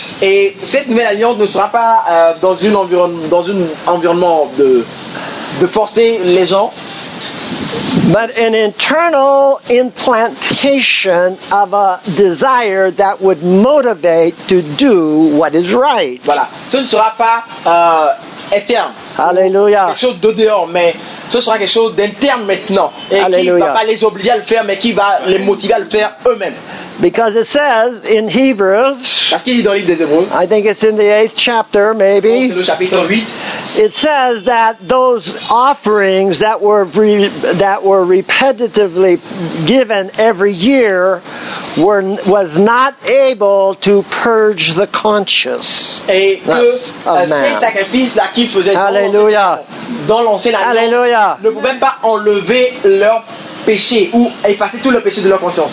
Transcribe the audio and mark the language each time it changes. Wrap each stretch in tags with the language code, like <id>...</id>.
<fr>Et cette nouvelle alliance ne sera pas dans un environnement de forcer les gens.</fr> <en>But an internal implantation of a desire that would motivate to do what is right.</en> <fr>Voilà. Ce ne sera pas externe.</fr> <en>Hallelujah.</en> <fr>Quelque chose de dehors, mais ce sera quelque chose d'interne maintenant. Et Alléluia. Qui ne va pas les obliger à le faire, mais qui va les motiver à le faire eux-mêmes.</fr> <en>Because it says in Hebrews,</en> <fr>parce qu'il dit dans le livre des Hébreux,</fr> <en>I think it's in the 8th chapter, maybe.</en> <fr>Donc, c'est le chapitre 8.</fr> <en>It says that those offerings that were repetitively given every year was not able to purge the conscience.</en> <fr>Et ces sacrifices là qu'ils faisaient dans l'ancienne alliance ne pouvaient pas enlever leur péché ou effacer tout le péché de leur conscience.</fr>